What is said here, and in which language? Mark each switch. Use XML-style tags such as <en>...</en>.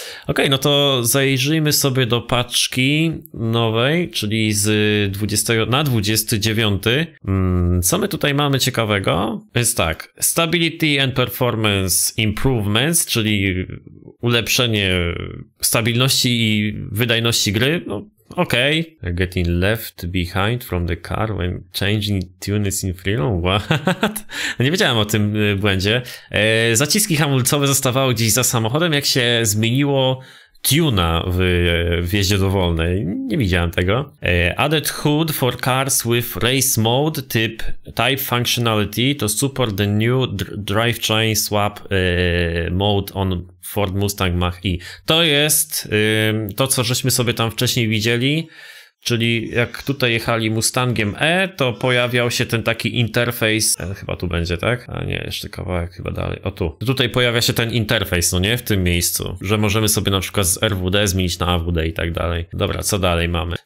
<pl>Okej, no to zajrzyjmy sobie do paczki nowej, czyli z 20 na 29. Co my tutaj mamy ciekawego? Jest tak.</pl> <en>Stability and Performance Improvements,</en> <pl>czyli... ulepszenie stabilności i wydajności gry, no okej.</pl> <en>Okay. Getting left behind from the car when changing tunes in freedom, what?</en> <pl>Nie wiedziałem o tym błędzie. Zaciski hamulcowe zostawały gdzieś za samochodem, jak się zmieniło tuna w jeździe dowolnej. Nie widziałem tego.</pl> <en>Added hood for cars with race mode type functionality to support the new drivetrain swap mode on Ford Mustang Mach-E.</en> <pl>To jest to, co żeśmy sobie tam wcześniej widzieli, czyli jak tutaj jechali Mustangiem E, to pojawiał się ten taki interfejs. Chyba tu będzie, tak? A nie, jeszcze kawałek chyba dalej. O, tu. Tutaj pojawia się ten interfejs, no nie? W tym miejscu. Że możemy sobie na przykład z RWD zmienić na AWD i tak dalej. Dobra, co dalej mamy?</pl>